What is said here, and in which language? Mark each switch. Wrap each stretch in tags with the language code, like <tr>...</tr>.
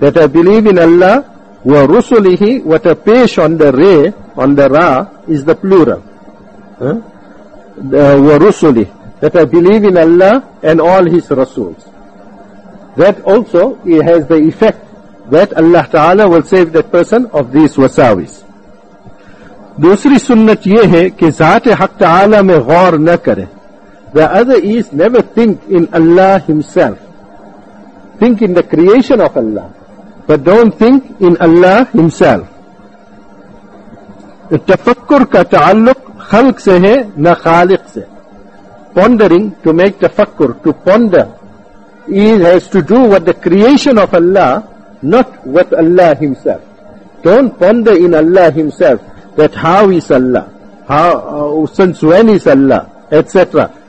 <en>That I believe in Allah, Wa Rusulihi, what a pesh on the Ra, is the plural. Wa Rusulih. That I believe in Allah and all His Rasuls. That also it has the effect that Allah Ta'ala will save that person of these wasawis.</en> <ur>دوسری سنت یہ ہے کہ ذات حق تعالی میں غور نہ کریں.</ur> <en>The other is never think in Allah Himself. Think in the creation of Allah, but don't think in Allah Himself.</en> <ur>تفکر کا تعلق خلق سے ہے نہ خالق سے.</ur> <en>Pondering, to make tafakkur, to ponder, it has to do with the creation of Allah, not with Allah Himself. Don't ponder in Allah Himself, that how is Allah, since when is Allah, etc.</en>